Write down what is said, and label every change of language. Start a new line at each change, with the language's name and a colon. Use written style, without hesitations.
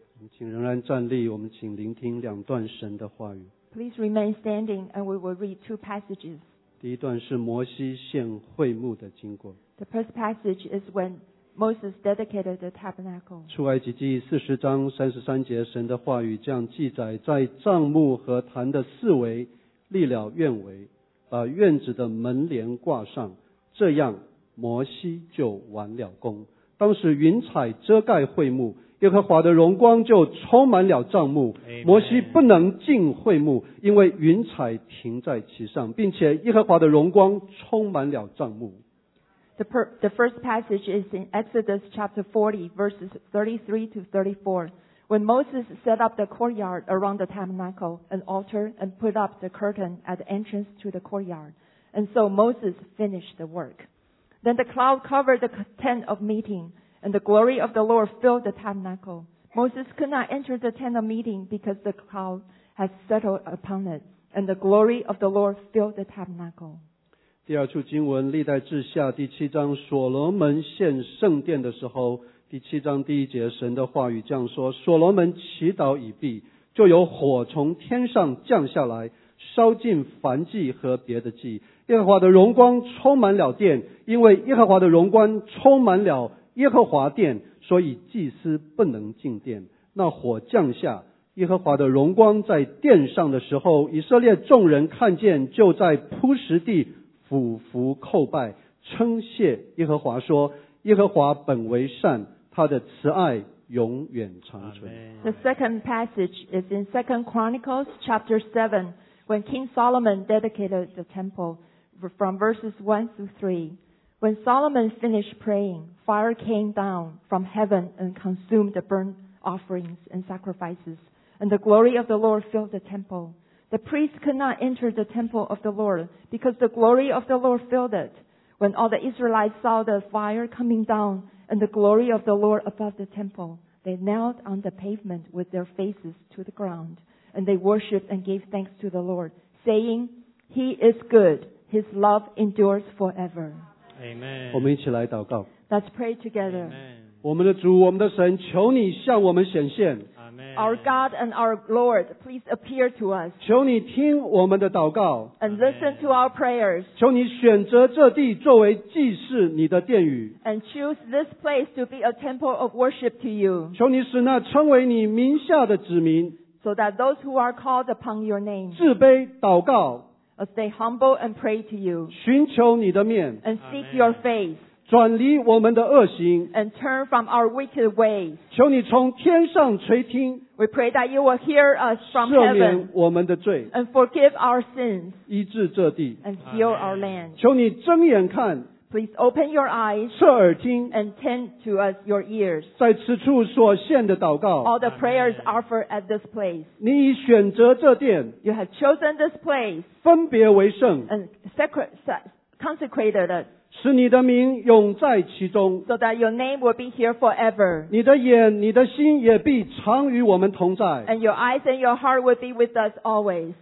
Chinese: 请仍然站立，我们请聆听两段神的话语。
English: Please remain standing, and we will read two passages.
Chinese: 第一段是摩西献会幕的经过。
English: The first passage is when Moses dedicated the tabernacle.
Chinese: 出埃及记四十章三十三节，神的话语这样记载：在帐幕和坛的四围立了院围，把院子的门帘挂上，这样摩西就完了工。当时云彩遮盖会幕。耶和华的荣光就充满了帐幕，摩西不能进会幕，因为云彩停在其上，并且耶和华的荣光充满了帐幕。
English: The first passage is in Exodus chapter 40, verses 33 to 34. When Moses set up the courtyard around the tabernacle, an altar, and put up the curtain at the entrance to the courtyard, and so Moses finished the work. Then the cloud covered the tent of meeting. And the glory of the Lord filled the tabernacle. Moses could not enter the tent of meeting because the cloud had settled upon it. And the glory of the Lord filled the tabernacle.
Chinese: 第二处经文，历代志下第七章，所罗门献圣殿的时候，第七章第一节，神的话语这样说：所罗门祈祷已毕，就有火从天上降下来，烧尽燔祭和别的祭。耶和华的荣光充满了殿，因为耶和华的荣光充满了耶和华殿，所以祭司不能进殿。那火降下，耶和华的荣光在殿上的时候，以色列众人看见，就在铺石地俯伏叩拜，称谢耶和华，说：耶和华本为善，他的慈爱永远长存。
English: The second passage is in 2 Chronicles chapter 7, when King Solomon dedicated the temple, from verses 1 through 3. When Solomon finished praying, fire came down from heaven and consumed the burnt offerings and sacrifices, and the glory of the Lord filled the temple. The priests could not enter the temple of the Lord because the glory of the Lord filled it. When all the Israelites saw the fire coming down and the glory of the Lord above the temple, they knelt on the pavement with their faces to the ground, and they worshipped and gave thanks to the Lord, saying, He is good, His love endures forever. Amen.
Chinese: 我们一起来祷告。
English: Let's pray together. Amen.
Chinese: 我们的主，我们的神，求你向我们显现。
English: Amen. Our God and our Lord, please appear to us.
Chinese: 求你听我们的祷告。
English: And listen to our prayers.
Chinese: 求你选择这地作为祭祀你的殿宇。
English: And choose this place to be a temple of worship to you.
Chinese: 求你使那称为你名下的子民。
English: So that those who are called upon your name.
Chinese: 自卑祷告。
English: As they humble and pray to you.
Chinese: 寻求你的面。
English: And seek your face.
Chinese: 转离我们的恶行
English: and turn from our wicked ways.
Chinese: 求你从天上垂听
English: We pray that you will hear us from heaven.
Chinese: 赦免我们的罪
English: and forgive our sins.
Chinese: 医治这地
English: and heal our land.
Chinese: 求你睁眼看
English: Please open your eyes.
Chinese: 侧耳听
English: and tend to us your ears.
Chinese: 在此处所献的祷告
English: All the prayers offered at this place.
Chinese: 你已选择这殿
English: You have chosen this place.
Chinese: 分别为圣
English: and consecrated us.
Chinese: 使你的名永在其中
English: so that your name will be here forever
Chinese: 你的眼你的心也必常与我们同在
English: and your eyes and your heart will be with us always